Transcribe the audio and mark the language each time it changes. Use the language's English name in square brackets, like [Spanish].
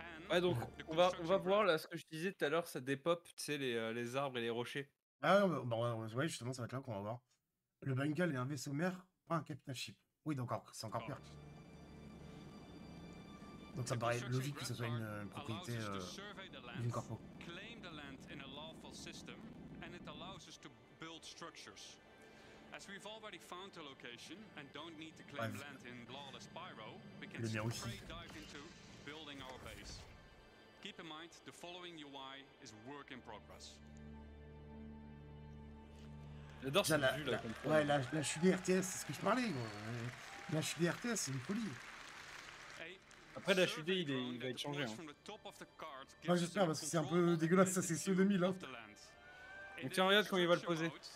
[French] Ouais, donc, on va voir là ce que je disais tout à l'heure, ça dépop, tu sais, les arbres et les rochers. Ah, ouais, justement, ça va être là qu'on va voir. Le Bengal est un vaisseau mère, pas un capital ship. Oui, donc, c'est encore pire. Donc ça me paraît logique que ce soit une propriété d'une corpo. [English] Claim the land in a lawful system and it allows us to build structures. As we've already found a location and don't need to claim land in lawless pyro, we can straight dive into building our base. Keep in mind the following UI is work in progress. [French] J'adore ce jeu là. Ouais, la chute des RTS, c'est ce que je parlais. Moi. La chute des RTS, c'est une folie. Après la HUD, il va être changé. Hein. Ouais, j'espère parce que c'est un peu dégueulasse, ça c'est CO2000. Hein. Donc tiens, regarde quand il va le poser.